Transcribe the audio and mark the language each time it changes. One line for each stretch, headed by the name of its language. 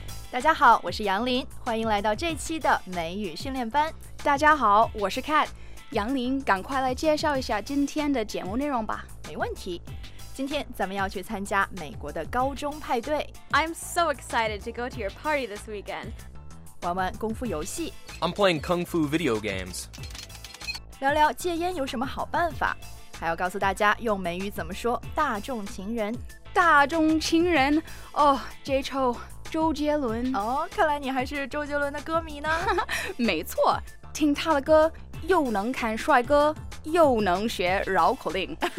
Chinese: 大家好，我是杨林，欢迎来到这期的美语训练班。大家好，我是 Cat。杨林，赶快来介绍一下今天的节目内容吧。没问题，今天咱们要去参加美国的高中派对。
English: I'm so excited to go to your party this weekend.
Chinese: 玩玩功夫游戏。
English: I'm playing kung fu video games.
Chinese: 聊聊戒烟有什么好办法，还要告诉大家用美语怎么说大众情人。大众情人，哦，这臭周杰伦。哦，看来你还是周杰伦的歌迷呢。没错，听他的歌又能看帅哥，又能学绕口令。